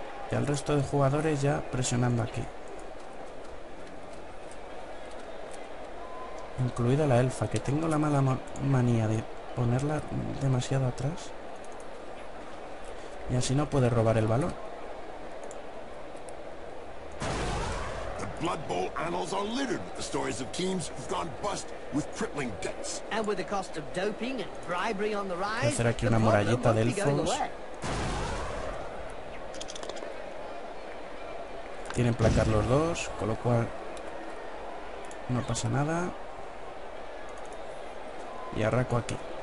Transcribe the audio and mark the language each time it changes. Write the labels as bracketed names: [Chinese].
[Spanish] Y al resto de jugadores ya presionando aquí. Incluida la elfa, que tengo la mala manía de ponerla demasiado atrás. Y así no puede robar el balón. [English] Blood Bowl annals are littered with the stories of teams who've gone bust with crippling debts. And with the cost of doping and bribery on the rise, [Spanish] hacer aquí una murallita de elfos. Tienen placar los dos, con lo cual no pasa nada. Y arraco aquí.